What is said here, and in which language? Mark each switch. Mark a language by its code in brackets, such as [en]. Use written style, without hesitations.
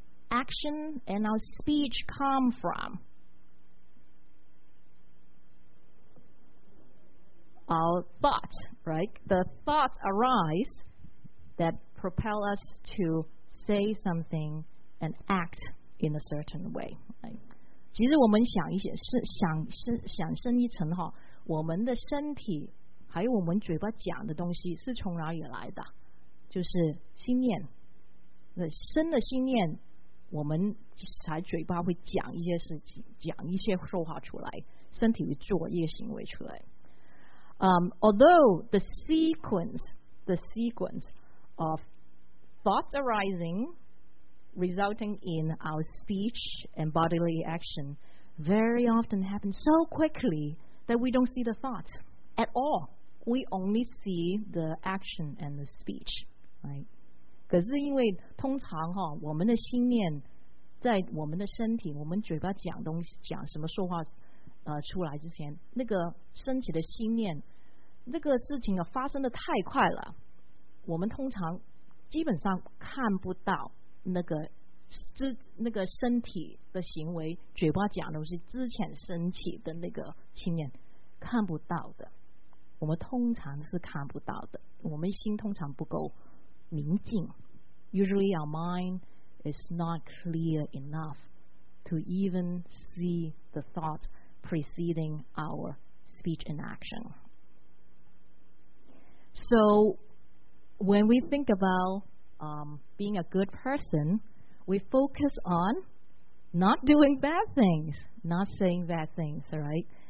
[en] action and our speech come from? Our thoughts, right? The thoughts arise that propel us to say something and act in a certain way, right? [zh] 其实我们想一些想深一层哈，我们的身体还有我们嘴巴讲的东西是从哪里来的？就是心念。那生的心念，我们才嘴巴会讲一些事情，讲一些说话出来，身体会做一些行为出来。 [en] Although the sequence of thoughts arising, resulting in our speech and bodily action, very often happens so quickly that we don't see the thought at all. We only see the action and the speech, right? [zh] 可是因为通常哈，我们的心念在我们的身体，我们嘴巴讲东西，讲什么说话，出来之前，那个升起的心念。这个事情发生的太快了，我们通常基本上看不到那个身体的行为，嘴巴讲的是之前升起的那个信念，看不到的。我们通常是看不到的，我们心通常不够明净。 [en] Usually our mind is not clear enough to even see the thought preceding our speech and action. So, when we think about being a good person, we focus on not doing bad things, not saying bad things, right?